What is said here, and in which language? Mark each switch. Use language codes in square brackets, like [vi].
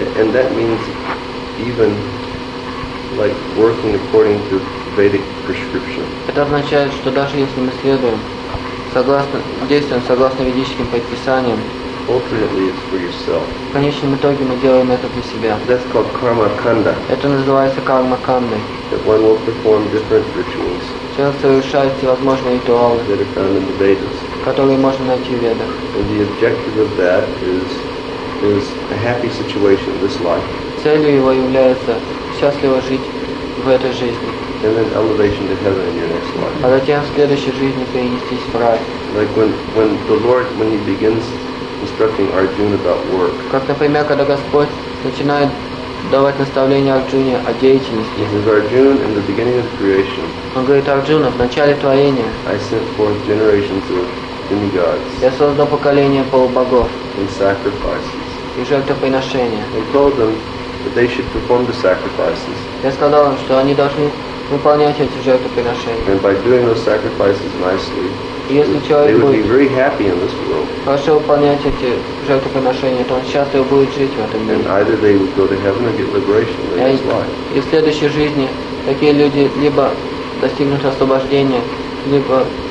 [en] That means, even like working according to Vedic prescription. [ru] Это означает, что даже если мы следуем согласно действиям согласно ведическим предписаниям, [en] ultimately it's for yourself. [ru] В конечном итоге мы делаем это для себя. [en] That's called karma kanda. [ru] Это называется карма канды. [en] That one will perform different rituals. [ru] Человек совершает всевозможные ритуалы, [en] that are found in the Vedas. [ru] Которые можно найти в Ведах. [en] And the objective of that is a happy situation in this life. [ru] Целью его является счастливо жить в этой жизни. [en] And then elevation to heaven in your next life. [ru] А затем в следующей жизни перенестись в рай. [en] Like when the Lord, when he begins instructing Arjuna about work. [ru] Как, например, когда Господь начинает давать наставление Арджуне о деятельности. [en] He says, Arjuna, in the beginning of creation. [ru] Он говорит, Арджуна, в начале творения. [en] I sent forth generations of demigods. [ru] Я создал поколение полубогов. [en] And sacrifices. [ru] И жертвоприношения. [en] And told them that they should perform the sacrifices. [ru] Я сказал им, что они должны выполнять эти жертвоприношения. [en] And by doing those sacrifices nicely, [ru] если человек [en] they [ru] будет [en] would be very happy in this world. [ru] Хорошо выполнять эти жертвоприношения, то он счастлив будет жить в этом мире. [en] And either they would go to heaven and get liberation in this life. [ru] И в следующей жизни такие люди либо достигнут освобождения, либо